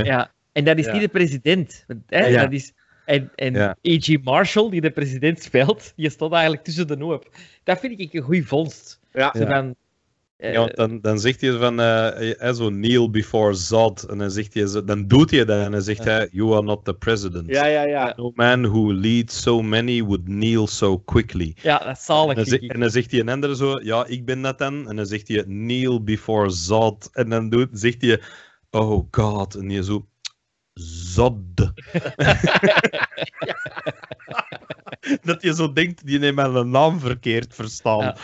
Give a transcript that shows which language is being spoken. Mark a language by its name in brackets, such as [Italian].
[Dutch] Ja, en dat is niet de president. Hè? Ja. Dat is, en E.G. Marshall, die de president speelt, die stond eigenlijk tussen de noep. Dat vind ik een goeie vondst. Ja, Want dan zegt hij van, zo [English] kneel before Zod. [Dutch] En dan zegt hij, dan doet hij dat. En dan zegt hij, [English] you are not the president. [Dutch] Ja, ja, ja. [English] No man who leads so many would kneel so quickly. [Dutch] Ja, dat is zalig. En dan zegt hij een ander zo, ja, ik ben dat dan. En dan zegt hij, [English] kneel before Zod. [Dutch] En dan zegt hij, oh god. En hij zo, Zod. Dat je zo denkt, die neemt mijn naam verkeerd verstaan.